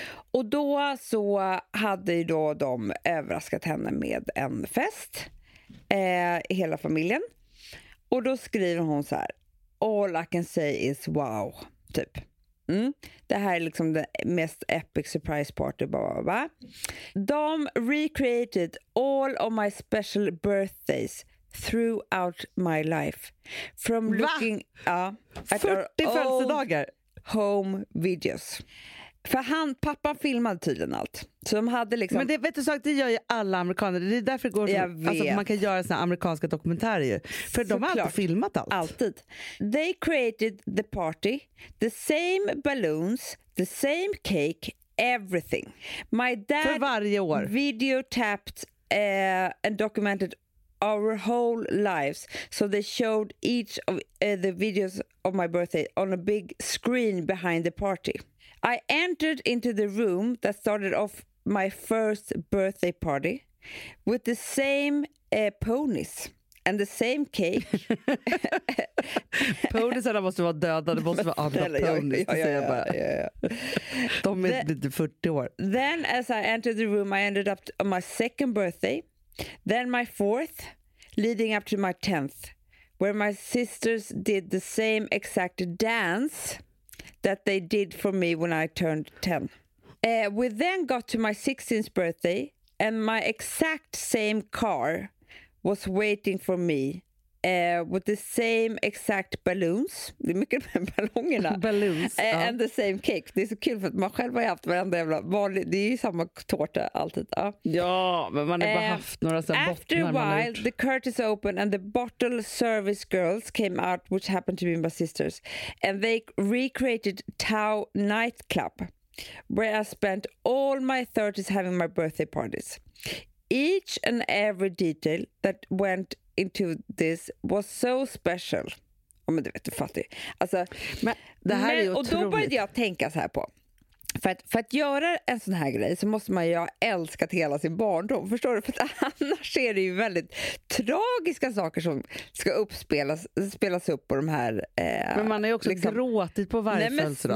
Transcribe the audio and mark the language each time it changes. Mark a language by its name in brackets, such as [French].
[Swedish] Och då så hade ju då de överraskat henne med en fest. Hela familjen. Och då skriver hon så här: [English] all I can say is wow. [Swedish] Typ. Mm. Det här är liksom det mest [English] epic surprise party. [Swedish] Blablabla. [English] De recreated all of my special birthdays throughout my life. From looking [Swedish] at 40 födelsedagar. [English] Home videos. [Swedish] För pappan filmade tydligen allt. Så de hade liksom... Men det, vet du, det gör ju alla amerikaner. Det är därför det går så, alltså, man kan göra såna amerikanska dokumentärer ju. För så de har alltid filmat allt. Alltid. [English] They created the party. The same balloons. The same cake. Everything. My dad... [Swedish] För varje år. [English] ...videotapped and documented our whole lives. So they showed each of the videos of my birthday on a big screen behind the party. I entered into the room that started off my first birthday party with the same ponies and the same cake. [Swedish] Poniesarna måste vara döda, det måste vara andra ponies. Ja. De är 40 år. [English] Then as I entered the room, I ended up on my second birthday, then my fourth, leading up to my 10th, where my sisters did the same exact dance that they did for me when I turned 10. We then got to my 16th birthday and my exact same car was waiting for me with the same exact balloons. [Swedish] Det är mycket med ballongerna. [English] Balloons. And the same cake. [Swedish] Det är så kul för att man själv har haft varenda jävla vanlig, det är ju samma tårta alltid. Ja, men man har bara haft några sådana bottnar. [English] After a while, the curtains opened and the bottle service girls came out, which happened to be my sisters. And they recreated Tau nightclub, where I spent all my 30s having my birthday parties. Each and every detail that went into this was so special. [Swedish] Oh, men du vet, du fattar. Alltså, men det här är ju otroligt. Och då började jag tänka så här på. För att göra en sån här grej så måste man ju ha älskat hela sin barndom. Förstår du? För att annars är det ju väldigt tragiska saker som ska spelas upp på de här... Men man är ju också liksom gråtit på varje födelsedag.